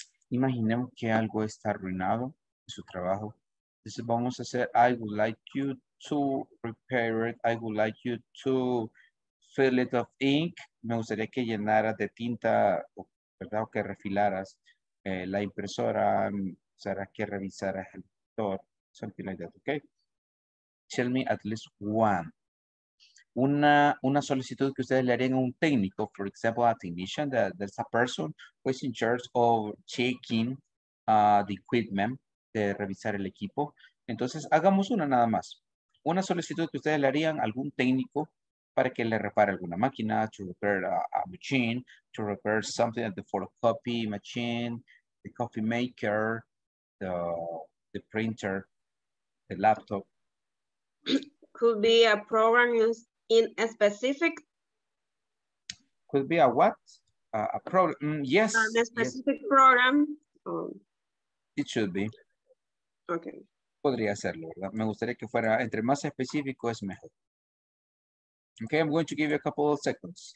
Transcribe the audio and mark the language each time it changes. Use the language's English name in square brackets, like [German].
[Spanish] Imaginemos que algo está arruinado en su trabajo. Entonces vamos a hacer, [English] I would like you to repair it. I would like you to fill it of ink. [Spanish] Me gustaría que llenaras de tinta, ¿verdad? O que refilaras la impresora. Será que revisaras el motor. [English] Something like that, okay? Tell me at least one. [Spanish] Una solicitud que ustedes le harían a un técnico, [English] for example, a technician, that's a person who is in charge of checking the equipment, [Spanish] de revisar el equipo. Entonces, hagamos una nada más. Una solicitud que ustedes le harían a algún técnico para que le repare alguna máquina, [English] to repair a machine, to repair something at the photocopy machine, the coffee maker, the printer, the laptop. Could be a program used in a specific. Could be a what? A problem. Yes. A specific, yes. Program. Oh. It should be. Okay. [Spanish] Podría hacerlo, ¿verdad? Me gustaría que fuera entre más específico es mejor. [English] Okay, I'm going to give you a couple of seconds.